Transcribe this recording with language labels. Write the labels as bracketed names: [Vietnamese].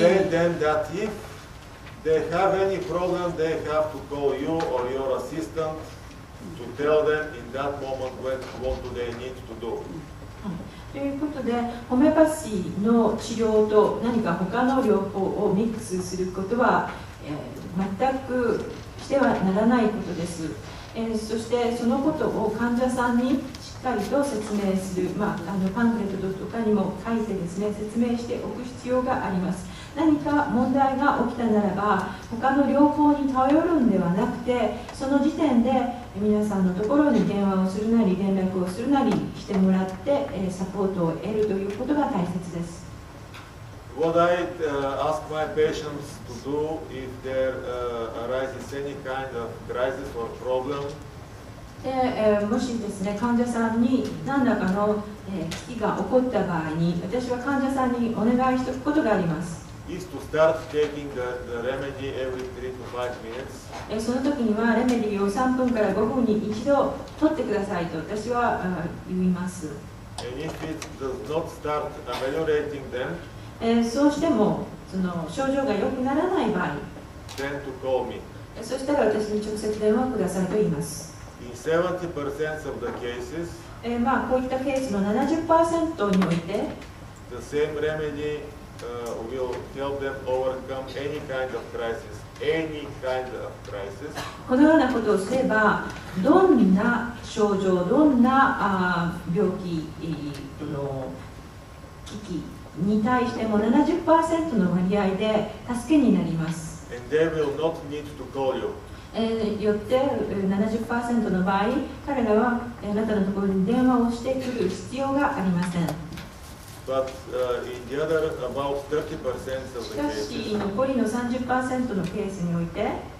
[English] them that if they have any problem, they have to call you or your assistant to tell them in that moment what do they need to do. [Japanese] ということで、ホメパシーの治療と何か他の療法をミックスすることは、全くしてはならないことです、そしてそのことを患者さんにしっかりと説明する、まあ、あのパンフレットとかにも書いてですね、説明しておく必要があります。何か問題が起きたならば他の療法に頼るのではなくて、その時点で皆さんのところに電話をするなり連絡をするなりしてもらってサポートを得るということが大切です。 [English] What I ask my patients to do if there arises any kind of crisis or problem [Japanese] で、もしですね、患者さんに何らかの危機が起こった場合に、私は患者さんにお願いしておくことがあります。 [English] Is to start taking the remedy every 3 to 5 minutes. [Japanese] その時にはレメディを3分から5分に一度取ってくださいと私は言います。 [English] And if it does not start ameliorating them, [Japanese] そうしてもその症状が良くならない場合、 [English] then to call me. [Japanese] そしたら私に直接電話をくださいと言います。 [English] In 70% of the cases, [Japanese] まあこういったケースの 70% において、 [English] the same remedy. Will help them overcome any kind of crisis, any kind of crisis. [Japanese] このようなことをすれば、どんな症状、どんな病気の危機に対しても 70% の割合で助けになります。 [English] And they will not need to call you. [Japanese] よって 70% の場合、彼らはあなたのところに電話をしてくる必要がありません。 [English] But in the other about 30% of the cases. [Japanese] しかし残りの 30% のケースにおいて、